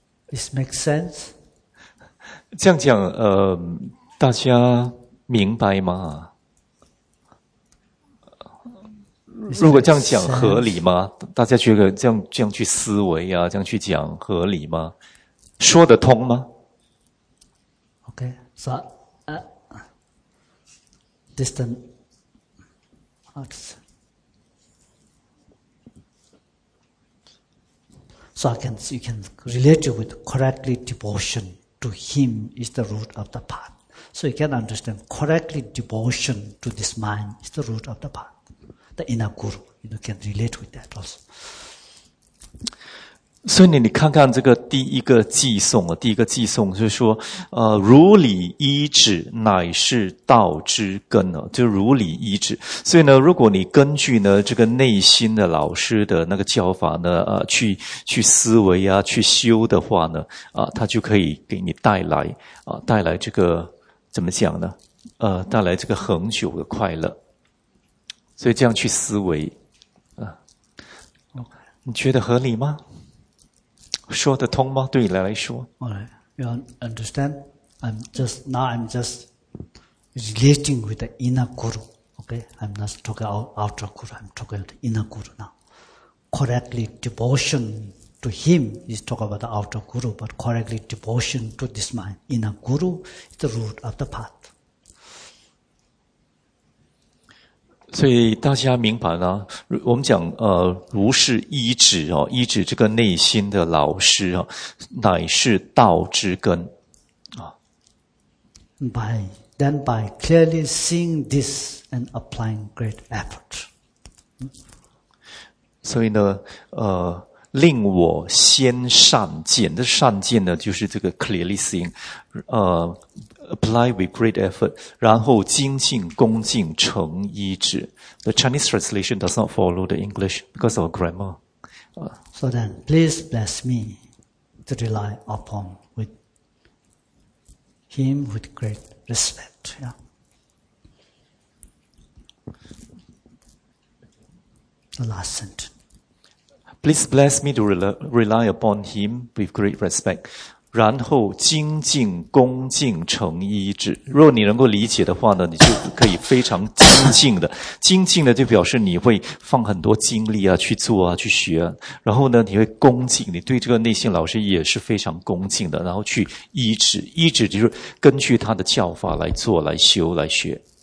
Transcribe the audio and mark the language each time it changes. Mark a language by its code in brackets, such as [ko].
[en] This makes sense? [zh] 这样讲，大家明白吗？如果这样讲合理吗？大家觉得这样去思维啊，这样去讲合理吗？说得通吗 [en] ？OK, so, distant, so I can you can relate with correctly devotion to Him is the root of the path. So you can understand correctly devotion to this mind is the root of the path. The inner guru, you can relate with that also. [zh] 所以你看看这个第一个偈颂啊，第一个偈颂就是说，如理依止乃是道之根啊，就如理依止。所以呢，如果你根据呢这个内心的老师的那个教法呢，去思维啊，去修的话呢，它就可以给你带来带来这个怎么讲呢？带来这个恒久的快乐。所以这样去思维，你觉得合理吗？说得通吗？对你来说 [en] ？Alright, you understand? I'm just relating with the inner guru. Okay, I'm not talking about outer guru. I'm talking about the inner guru now. Correctly devotion to him is talk about the outer guru, but correctly devotion to this mind, inner guru, is the root of the path. [zh] 所以大家明白呢，我们讲如是依止哦，依止这个内心的老师啊，乃是道之根啊。 [en] By clearly seeing this and applying great effort. [zh] 所以呢，令我先善见，这善见呢，就是这个 [en] clearly seeing， apply with great effort, [zh] 然后精进恭敬成依止。 [en] The Chinese translation does not follow the English because of grammar. So then, please bless me to rely upon with him with great respect. Yeah. The last sentence. Please bless me to rely upon him with great respect. [zh] 然后精进恭敬成依止。若你能够理解的话呢，你就可以非常精进的。精进的就表示你会放很多精力啊去做啊去学啊。然后呢你会恭敬，你对这个内心老师也是非常恭敬的，然后去依止。依止就是根据他的教法来做来修来学。